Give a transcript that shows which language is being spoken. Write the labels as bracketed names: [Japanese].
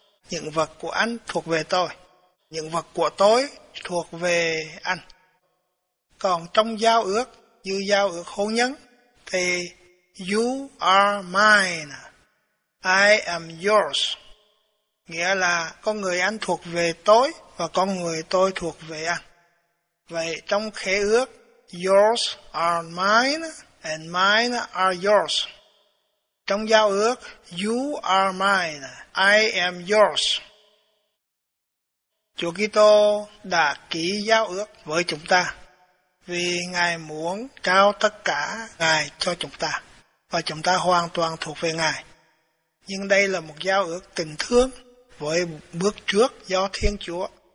[Vietnamese] Những vật của anh thuộc về tôi, những vật của tôi thuộc về anh. Còn trong giao ước, như giao ước hôn nhân, thì [English] you are mine, I am yours. [Vietnamese] Nghĩa là con người anh thuộc về tôi và con người tôi thuộc về anh. Vậy trong khế ước, [English] yours are mine and mine are yours. [Vietnamese] Trong giao ước, [English] you are mine, I am yours. [Vietnamese] Chúa Kitô đã ký giao ước với chúng ta vì Ngài muốn trao tất cả Ngài cho chúng ta, và chúng ta hoàn toàn thuộc về Ngài. Nhưng đây là một giao ước tình thương với bước trước do Thiên Chúa.